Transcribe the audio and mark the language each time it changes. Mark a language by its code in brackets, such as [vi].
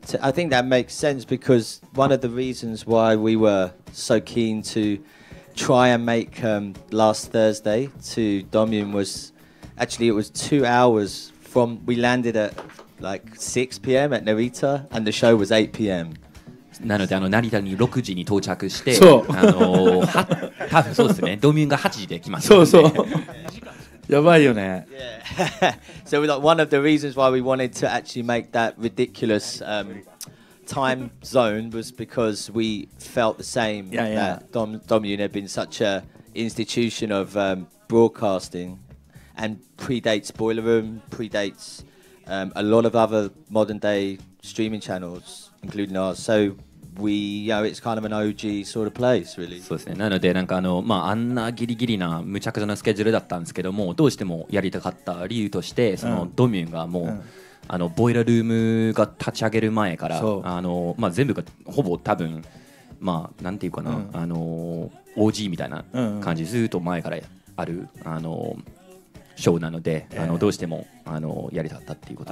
[en] I think that makes sense because one of the reasons why we were so keen to try and make last Thursday to DOMMUNE was... Actually, it was 2 hours from... We landed at like 6 p.m. at Narita and the show was 8 p.m. [ja] なので成田に6時に到着して、そう。多分そうですね。DOMMUNEが8時で来ます。そうそう。やばいよね。 [en] So we got one of the reasons why we wanted to actually make that ridiculous time zone was because we felt the same that DOMMUNE had been such a institution of broadcasting and predates Boiler Room, predates a lot of other modern day streaming channels, including ours. So we, you know, it's kind of an OG sort of place, really. [ja] そうですね。なのでなんかまああんなギリギリなむちゃくちゃなスケジュールだったんですけども、どうしてもやりたかった理由としてそのDOMMUNEがもう、ボイラルームが立ち上げる前から、まあ全部がほぼ多分まあなんていうかな、OG みたいな感じ、ずっと前からあるショーなので、どうしてもやりたかったっていうことです